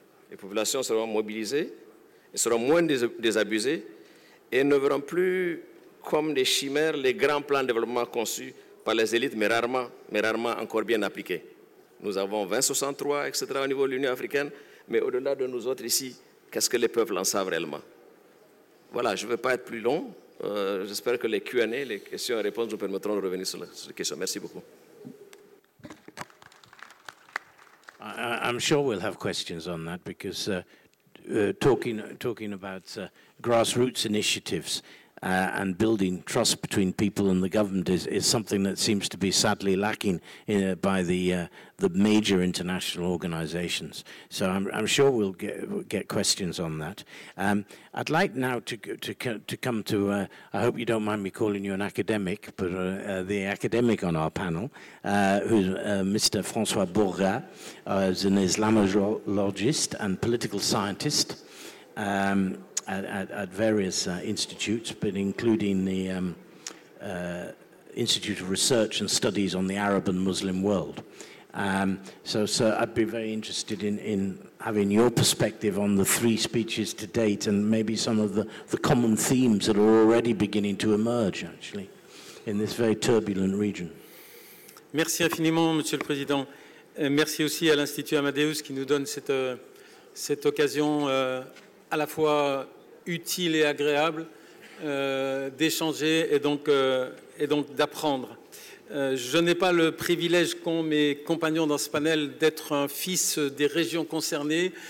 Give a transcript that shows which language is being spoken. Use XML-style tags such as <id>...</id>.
<fr>Les populations seront mobilisées, elles seront moins désabusées et ne verront plus comme des chimères les grands plans de développement conçus par les élites, mais rarement encore bien appliqués. Nous avons 2063, etc., au niveau de l'Union africaine, mais au-delà de nous autres ici, qu'est-ce que les peuples en savent réellement? Voilà, je ne veux pas être plus long. J'espère que les Q&A, les questions et réponses nous permettront de revenir sur les questions. Merci beaucoup.</fr> <en>I'm sure we'll have questions on that because talking about grassroots initiatives and building trust between people and the government is something that seems to be sadly lacking by the major international organizations. So I'm sure we'll get questions on that. I'd like now to come to, I hope you don't mind me calling you an academic, but the academic on our panel, who's Mr. François Bourgat, is an Islamologist and political scientist. At various institutes, but including the Institute of Research and Studies on the Arab and Muslim World. So, sir, I'd be very interested in having your perspective on the three speeches to date and maybe some of the common themes that are already beginning to emerge, actually, in this very turbulent region.</en> <fr>Merci infiniment, Monsieur le Président. Merci aussi à l'Institut Amadeus qui nous donne cette occasion à la fois utile et agréable d'échanger et donc d'apprendre. Je n'ai pas le privilège qu'ont mes compagnons dans ce panel d'être un fils des régions concernées.</fr>